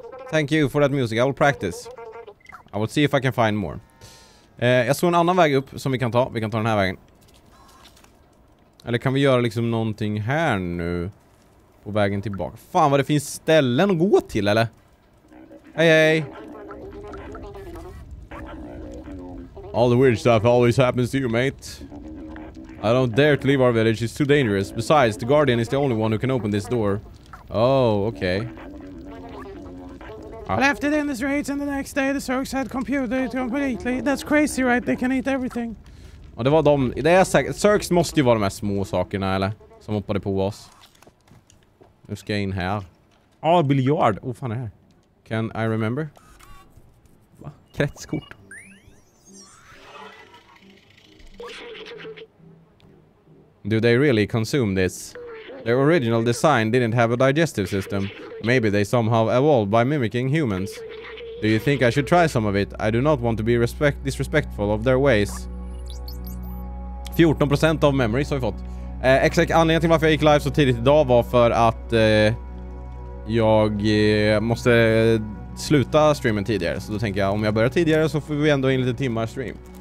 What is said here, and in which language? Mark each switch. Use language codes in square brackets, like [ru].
[en] Thank you for that music. I will practice. I will see if I can find more. [sv] Jag såg en annan väg upp som vi kan ta. Vi kan ta den här vägen. Eller kan vi göra liksom någonting här nu? På vägen tillbaka. Fan vad det finns ställen att gå till, eller? Hej, hej! [en] All the weird stuff always happens to you, mate. I don't dare to leave our village, it's too dangerous. Besides, the guardian is the only one who can open this door. Oh, okay. I left it in the streets and the next day the Zergs had computed it completely. That's crazy, right? They can eat everything. [sv] Ja, det var de. Det är säkert. Zergs måste ju vara de här små sakerna, eller? Som hoppade på oss. Nu ska jag in här. Ah, biljard. Oh, fan är det här. [en] Can I remember? [sv] Va? Kretskort. [en] Do they really consume this? Their original design didn't have a digestive system. Maybe they somehow evolved by mimicking humans. Do you think I should try some of it? I do not want to be disrespectful of their ways. [sv] 14% [en] of memories [sv] har vi fått. Exakt anledningen till varför jag gick live så tidigt idag var för att jag måste sluta streamen tidigare. Så då tänker jag om jag börjar tidigare så får vi ändå in lite timmar stream.